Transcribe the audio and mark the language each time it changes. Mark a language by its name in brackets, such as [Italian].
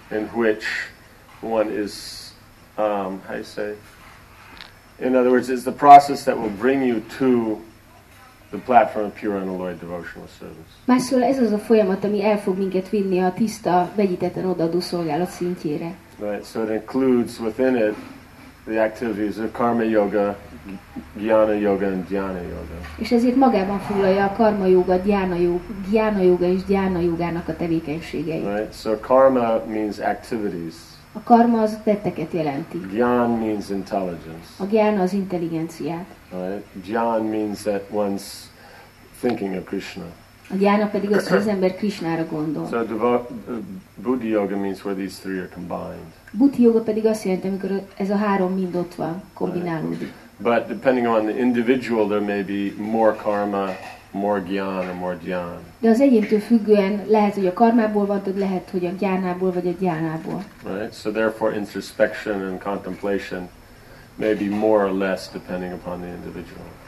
[English] In which one is, how you say? In other words, it's the process that will bring you to the platform of pure unalloyed devotional service. [Hungarian] Másszor ez az a folyamat, ami el fog minket vinni a tiszta, vegyítetten odaadó szolgálat szintjére. [English] Right, so it includes within it the activities of karma yoga, Jnana yoga and Dhyana yoga. [Hungarian] És ezért magában foglalja a karma yoga, Jnana yoga és Dhyana yogának a tevékenységeit. [English] Right. So karma means activities. [Hungarian] A karma az tetteket jelenti. [English] Jnana means intelligence. [Hungarian] A Jnana az intelligenciát. [English] Right. Jnana means that one's thinking of Krishna. [Hungarian] A Jnana pedig az, hogy az ember Krishnára gondol. [English] So Buddha yoga means where these three are combined. [Hungarian] Buddha yoga pedig azt jelenti, amikor ez a három mind ott van, kombinálódik. [English] Right. But depending on the individual, there may be more karma, more jnana, or more dhyana. [Hungarian] De az egyéntől függően lehet, hogy a karmából van, vagy lehet, hogy a jnánából vagy a dhyánából. [English] Right. So therefore, introspection and contemplation may be more or less depending upon the individual.